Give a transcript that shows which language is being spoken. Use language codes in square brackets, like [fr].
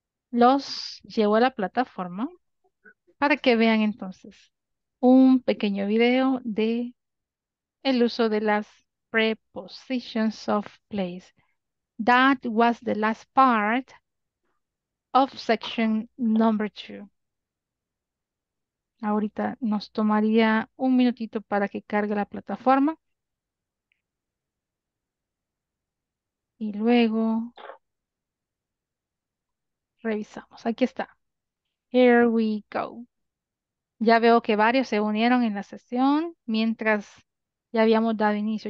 [es] Los llevo a la plataforma para que vean entonces un pequeño video de el uso de las prepositions of place. [en] That was the last part of section number 2. [es] Ahorita nos tomaría un minutito para que cargue la plataforma. Y luego revisamos. Aquí está. [en] Here we go. [es] Ya veo que varios se unieron en la sesión mientras ya habíamos dado inicio.